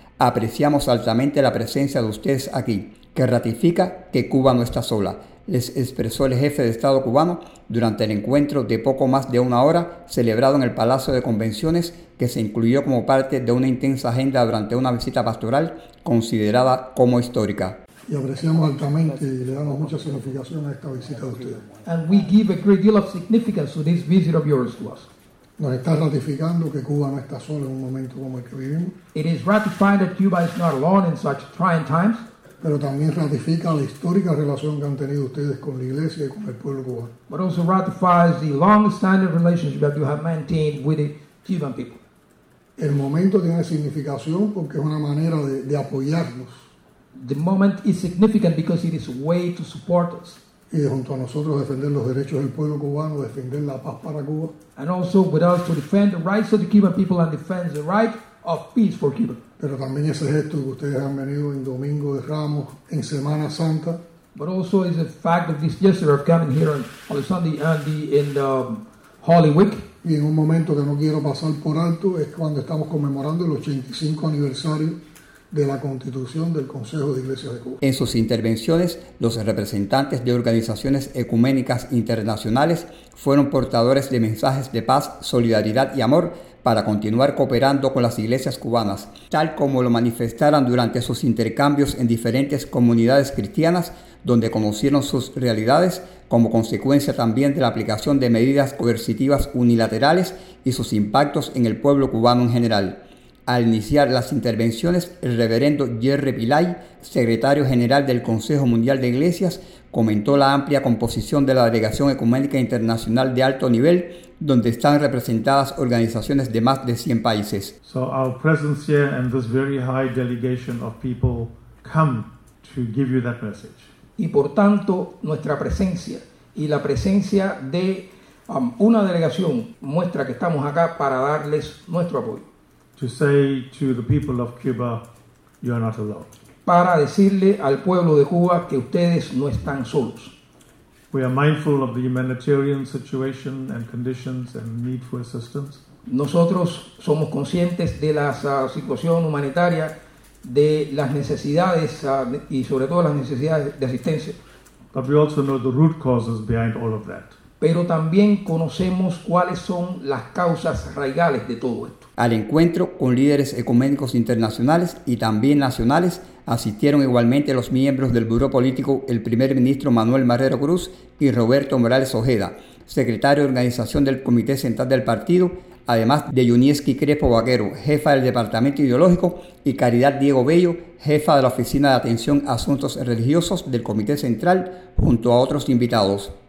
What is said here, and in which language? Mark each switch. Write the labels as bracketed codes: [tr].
[es] Apreciamos altamente la presencia de ustedes aquí, que ratifica que Cuba no está sola, les expresó el jefe de Estado cubano durante el encuentro de poco más de una hora celebrado en el Palacio de Convenciones, que se incluyó como parte de una intensa agenda durante una visita pastoral considerada como histórica. Y apreciamos altamente y le damos mucha significación a esta visita de ustedes. [en] And we give a great deal of significance to this visit of yours to us. [es] Nos está ratificando que Cuba no está sola en un momento como el que vivimos. [en] It is ratifying that Cuba is not alone in such trying times. [es] Pero también ratifica la histórica relación que han tenido ustedes con la Iglesia y con el pueblo cubano. [en] But also ratifies the long-standing relationship that you have maintained with the Cuban people. [es] El momento tiene significación porque es una manera de apoyarnos. [en] The moment is significant because it is a way to support us. [es] Y junto a nosotros defender los derechos del pueblo cubano, defender la paz para Cuba. [en] And also with us to defend the rights of the Cuban people and defend the right of peace for Cuba. [es] Pero también ese gesto que ustedes han venido en Domingo de Ramos, en Semana Santa. [en] But also is the fact of this gesture of coming here on the Sunday and the in the Holy Week. [es] Y en un momento que no quiero pasar por alto es cuando estamos conmemorando el 85 aniversario de la Constitución del Consejo de Iglesias de Cuba. En sus intervenciones, los representantes de organizaciones ecuménicas internacionales fueron portadores de mensajes de paz, solidaridad y amor para continuar cooperando con las iglesias cubanas, tal como lo manifestaron durante sus intercambios en diferentes comunidades cristianas, donde conocieron sus realidades como consecuencia también de la aplicación de medidas coercitivas unilaterales y sus impactos en el pueblo cubano en general. Al iniciar las intervenciones, el reverendo Jerry Pillay, secretario general del Consejo Mundial de Iglesias, comentó la amplia composición de la Delegación Ecuménica Internacional de alto nivel, donde están representadas organizaciones de más de 100 países. [en] So our presence here and this very high delegation of people come to give you that message. [es] Y por tanto, nuestra presencia y la presencia de una delegación muestra que estamos acá para darles nuestro apoyo. [en] To say to the people of Cuba, you are not alone. [es] Para decirle al pueblo de Cuba que ustedes no están solos. [en] We are mindful of the humanitarian situation and conditions and need for assistance. [es] Nosotros somos conscientes de la situación humanitaria, de las necesidades y sobre todo las necesidades de asistencia. [en] But we also know the root causes behind all of that. [es] Pero también conocemos cuáles son las causas raigales de todo esto. Al encuentro con líderes ecuménicos internacionales y también nacionales, asistieron igualmente los miembros del Buró Político, el primer ministro Manuel Marrero Cruz y Roberto Morales Ojeda, secretario de Organización del Comité Central del Partido, además de Yunieski Crespo Vaquero, jefa del Departamento Ideológico, y Caridad Diego Bello, jefa de la Oficina de Atención a Asuntos Religiosos del Comité Central, junto a otros invitados.